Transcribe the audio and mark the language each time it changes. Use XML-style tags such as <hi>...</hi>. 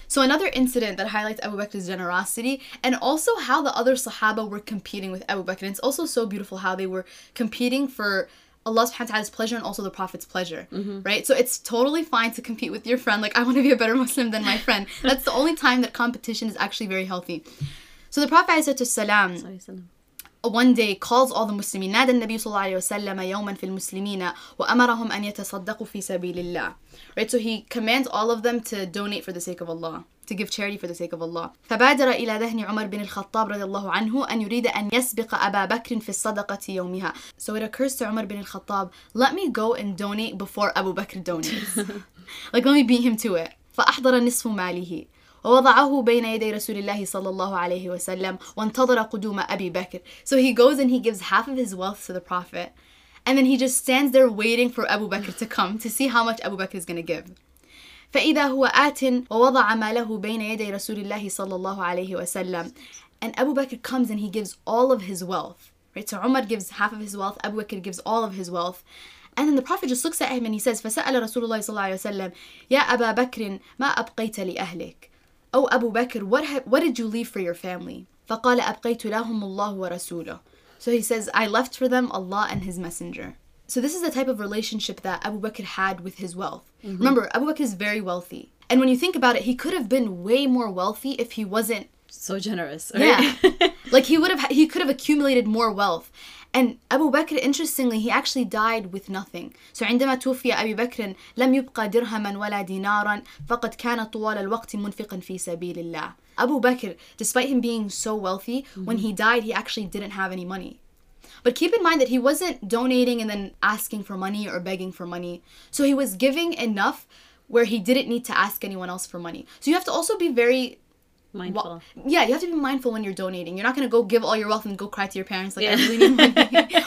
<en>So another incident that highlights Abu Bakr's generosity, and also how the other Sahaba were competing with Abu Bakr. And it's also so beautiful how they were competing for Allah subhanahu wa ta'ala's pleasure and also the Prophet's pleasure, right? So it's totally fine to compete with your friend. Like, I want to be a better Muslim than my friend. That's the only time that competition is actually very healthy. So the Prophet ﷺ, one day, calls all the Muslimin.</en> <ar>نادى النبي صلى الله عليه وسلم يوما في المسلمين وأمرهم أن يتصدقوا في سبيل الله.</ar> <en>Right, so he commands all of them to donate for the sake of Allah, to give charity for the sake of Allah.</en> <ar>فبادر إلى ذهن عمر بن الخطاب رضي الله عنه أن يريد أن يسبق أبا بكر في الصدقة يومها.</ar> <en>So it occurs to Umar bin al-Khattab, let me go and donate before Abu Bakr donates. Like, let me beat him to it.</en> <ar>فأحضر نصف ماله ووضعه بين يدي رسول الله صلى الله عليه وسلم وانتظر قدوم أبي بكر.</ar> <en>So he goes and he gives half of his wealth to the Prophet, and then he just stands there waiting for Abu Bakr to come to see how much Abu Bakr is going to give.</en> <ar>فإذا هو آت ووضع ماله بين يدي رسول الله صلى الله عليه وسلم.</ar> <en>And Abu Bakr comes and he gives all of his wealth. Right? So Umar gives half of his wealth, Abu Bakr gives all of his wealth. And then the Prophet just looks at him and he says,</en> <ar>فسأل رسول الله صلى الله عليه وسلم يا أبا بكر ما أبقيت لأهلك.</ar> <en>Oh Abu Bakr, what did you leave for your family?</en> <ar>فقال أبقيت لهم الله ورسوله.</ar> <en>So he says, I left for them Allah and his messenger. So this is the type of relationship that Abu Bakr had with his wealth. Mm-hmm. Remember, Abu Bakr is very wealthy. And when you think about it, he could have been way more wealthy if he wasn't so generous. Right? Yeah. Like, he could have accumulated more wealth. And Abu Bakr, interestingly, he actually died with nothing.</en> <ar>So عندما توفي أبي بكر لم يبقى درهما ولا دينارا فقد كان طوال الوقت منفقا في سبيل الله.</ar> <en>Abu Bakr, despite him being so wealthy, mm-hmm. when he died, he actually didn't have any money. But keep in mind that he wasn't donating and then asking for money or begging for money. So he was giving enough where he didn't need to ask anyone else for money. So you have to also be very mindful. You have to be mindful when you're donating. You're not going to go give all your wealth and go cry to your parents like, yeah. I really need money.</en>